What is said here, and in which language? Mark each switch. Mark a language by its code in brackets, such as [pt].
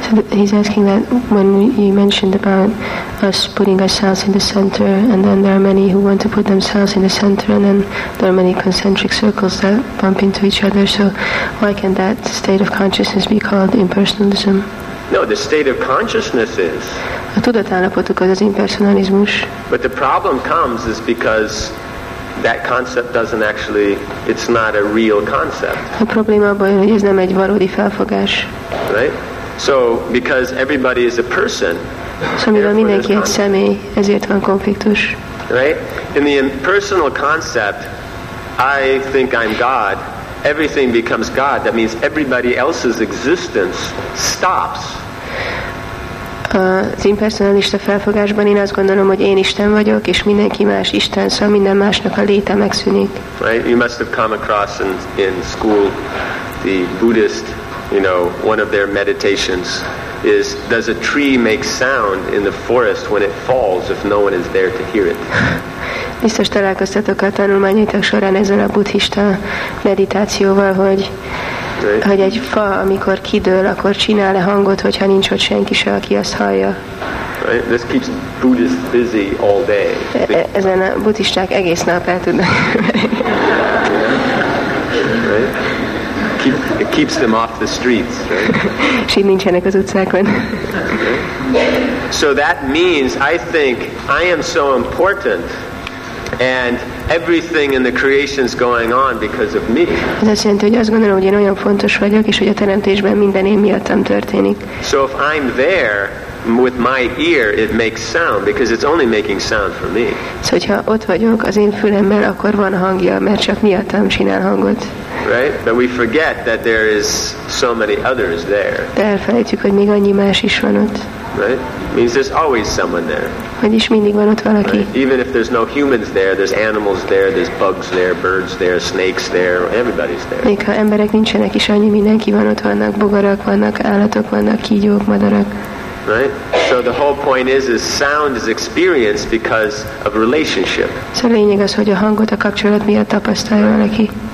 [en] He's asking that when you mentioned about us putting ourselves in the center, and then there are many who want to put themselves in the center, and then there are many concentric circles that bump into each other. So why can that state of consciousness be called impersonalism? No, the state of consciousness is. [hu] A tudatállapotuk az impersonalizmus. [en] But the problem comes is because that concept doesn't actually, it's not a real concept. [hu] A probléma abban, hogy ez nem egy valódi felfogás. [en] Right? So, because everybody is a person, [hu] szóval mindenki egy személy, ezért van konfliktus. [en] Right? In the impersonal concept, I think I'm God, everything becomes God. That means everybody else's existence stops. [hu] Az impersonalista felfogásban én azt gondolom, hogy én Isten vagyok, és mindenki más Isten, szóval minden másnak a léte megszűnik. [en] Right? You must have come across in school the Buddhist, you know, one of their meditations is, does a tree make sound in the forest when it falls if no one is there to hear it? [hu] Biztos találkoztatok a tanulmányaitok során ezzel a buddhista meditációval, hogy right. Hogy egy fa, amikor kidől, akkor csinál-e hangot, hogyha nincs ott senki se, aki azt hallja. [en] Right? This keeps Buddhists busy all day. [hu] Ezen a buddhisták egész nap el tudnak. [en] It keeps them off the streets, right? [hu] Si nincsenek az utcákon. [en] So that means I think I am so important and everything in the creation is going on because of me. [hu] Ez azt jelenti, hogy azt gondolom, hogy én olyan fontos vagyok, és hogy a teremtésben minden én miattam történik. [en] So if I'm there with my ear, it makes sound because it's only making sound for me. [hu] Szóval, hogyha ott vagyok az én fülemmel, akkor van hangja, mert csak miattam csinál hangot. [en] Right? But we forget that there is so many others there. [hu] De elfelejtjük, hogy még annyi más is van ott. [en] Right? Means there's always someone there. [hu] Vagyis mindig van ott valaki. [en] Right? Even if there's no humans there, there's animals there, there's bugs there, birds there, snakes there, everybody's there. [hu] Még ha emberek nincsenek is, annyi mindenki van ott, vannak bogarak, vannak állatok, vannak kígyók, madarak. [en] Right? So the whole point is sound is experienced because of relationship. [hu] A lényeg az, hogy a hangot a kapcsolat miatt tapasztalja valaki.